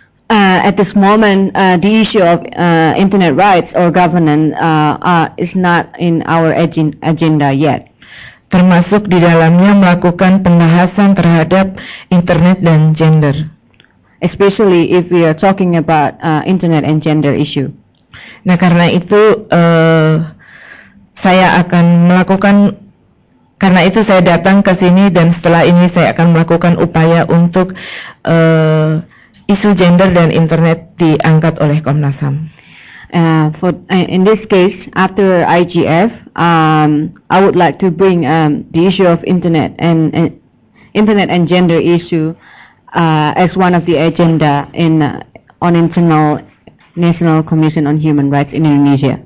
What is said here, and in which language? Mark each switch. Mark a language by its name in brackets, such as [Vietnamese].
[English] at this moment, the issue of internet rights or governance is not in our agenda yet. [Indonesian] Termasuk di dalamnya melakukan pembahasan terhadap internet dan gender. [English] Especially if we are talking about internet and gender issue. [Indonesian] Nah, karena itu saya akan melakukan, karena itu saya datang ke sini dan setelah ini saya akan melakukan upaya untuk isu gender dan internet diangkat oleh Komnas HAM. [English] In this case, after IGF, I would like to bring the issue of internet and gender issue as one of the agenda in on internal National Commission on Human Rights in Indonesia.